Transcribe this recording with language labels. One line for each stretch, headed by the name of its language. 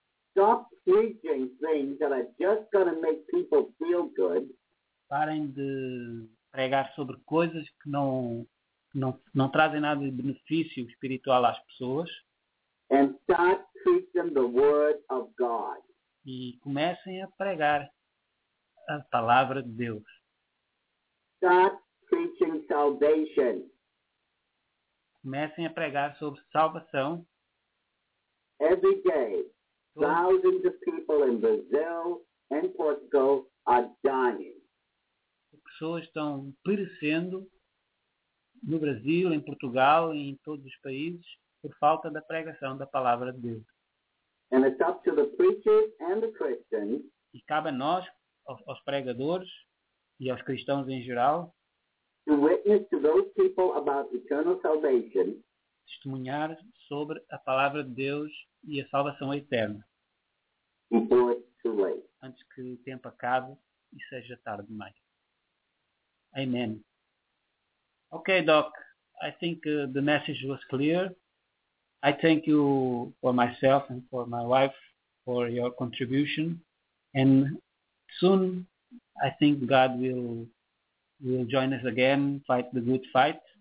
English: Stop preaching things that are just going to make people feel good.
Portuguese: Parem de pregar sobre coisas que não trazem nada de benefício espiritual às pessoas.
English: And start preaching the word of God.
Portuguese: E comecem a pregar a palavra de Deus.
English: Start preaching salvation.
Portuguese: Comecem a pregar sobre salvação.
English: Every day, thousands of people in Brazil and Portugal are dying.
Portuguese: Pessoas estão perecendo no Brasil, em Portugal e em todos os países por falta da pregação da palavra de Deus.
English: And it's up to the preachers and the Christians,
Portuguese: e cabe a nós, aos pregadores e aos cristãos em geral,
English: to witness to those people about eternal salvation,
Portuguese: testemunhar sobre a palavra de Deus e a salvação eterna
English: before it's too late,
Portuguese: antes que o tempo acabe e seja tarde demais.
English: Amen. Okay, Doc, I think the message was clear. I thank you for myself and for my wife for your contribution. And soon, I think God will join us again, fight the good fight.